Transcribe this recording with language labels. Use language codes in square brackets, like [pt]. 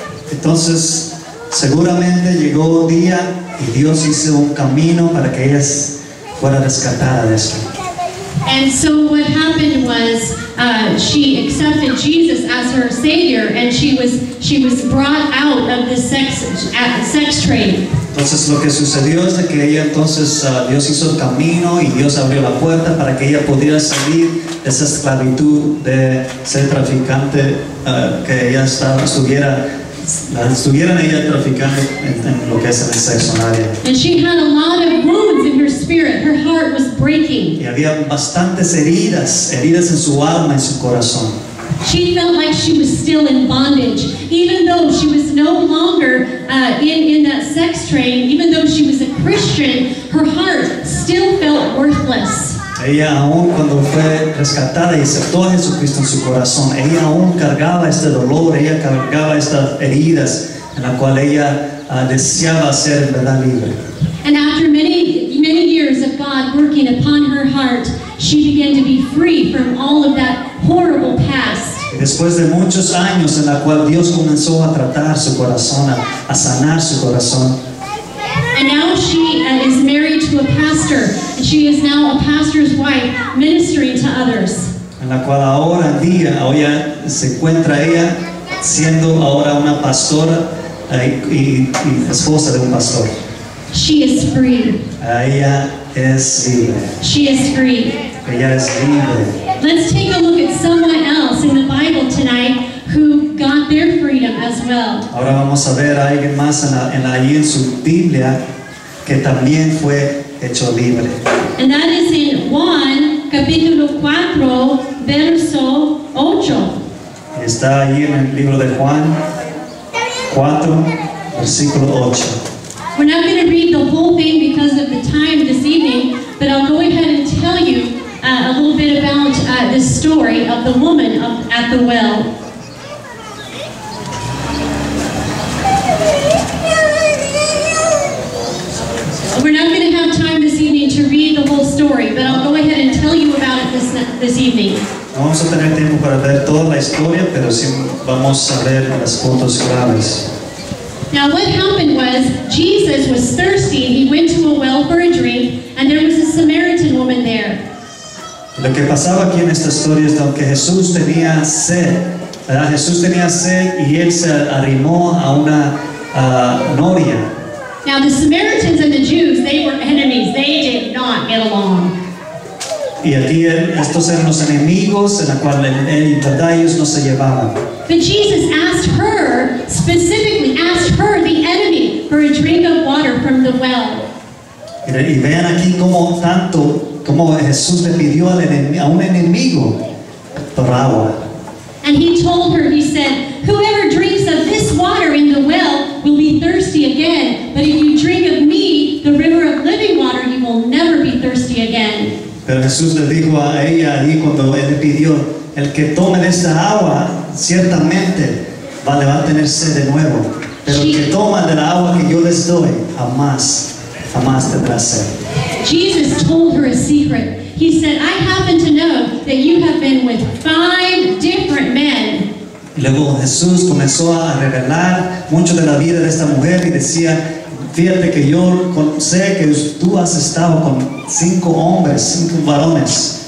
[es] Entonces, seguramente llegó un día y Dios hizo un camino para que ella fuera rescatada de esto. [en] And so what happened was she accepted Jesus as her Savior and she was brought out of the sex trade. [es] Entonces lo que sucedió es que ella entonces Dios hizo el camino y Dios abrió la puerta para que ella pudiera salir de esa esclavitud de ser traficante que ella estuvieran ella traficando en lo que es el sexo en área. [en] And she had a lot of wounds in her spirit. Her heart was breaking. [es] Y había bastantes heridas en su alma, en su corazón. [en] She felt like she was still in bondage, even though she was no longer in that sex train, even though she was a Christian, her heart still felt worthless. [es] Ella aún cuando fue rescatada y aceptó a Jesucristo en su corazón, ella aún cargaba este dolor, ella cargaba estas heridas en la cual ella deseaba ser en verdad libre. [en] And after many years of God working upon her heart, she began to be free from all of that horrible past. [es] Y después de muchos años en la cual Dios comenzó a tratar su corazón, a sanar su corazón. [en] And now she is married to a pastor. She is now a pastor's wife, ministering to others. [es] En la cual ahora en día, hoy se encuentra ella siendo ahora una pastora y esposa de un pastor. [en] She is free. [es] Ella es libre. [en] She is free. [es] Ella es libre. [en] Let's take a look at someone else in the Bible tonight who got their freedom as well. [es] Ahora vamos a ver a alguien más ahí en su Biblia que también fue hecho libre. [en] And that is in Juan, [es] capítulo 4, verso 8. Está ahí en el libro de Juan, 4, versículo 8. [en] We're not going to read the whole thing because of the time this evening, but I'll go ahead and tell you a little bit about the story of the woman at the well. We're not going to have time this evening to read the whole story, but I'll go ahead and tell you about it this evening. [es] No vamos a tener tiempo para ver toda la historia, pero sí vamos a ver los puntos claves. [en] Now what happened was, Jesus was thirsty, and he went to a well for a drink, and there was a Samaritan woman there. [es] Lo que pasaba aquí en esta historia es que Jesús tenía sed. ¿Verdad? Jesús tenía sed y él se arrimó a una novia. [en] Now the Samaritans and the Jews, they were enemies. They did not get along. [es] Y aquí estos eran los enemigos en la cual ellos no se llevaban. [en] But Jesus asked her, specifically asked her, the enemy, for a drink of water from the well. [es] Y vean aquí como tanto como Jesús le pidió a un enemigo por agua. [en] And he told her, he said, whoever drinks of this water in the well will be thirsty again, that if you drink of me, the river of living water, you will never be thirsty again. [es] Pero Jesús le dijo a ella allí cuando él le pidió, el que tome de esta agua, ciertamente va a tener sed de nuevo. Pero el que toma de la agua que yo les doy, jamás, jamás tendrá sed. [en] Jesus told her a secret. He said, I happen to know that you have been with 5 different men. [es] Luego Jesús comenzó a revelar mucho de la vida de esta mujer y decía, fíjate que yo sé que tú has estado con 5 hombres, 5 varones.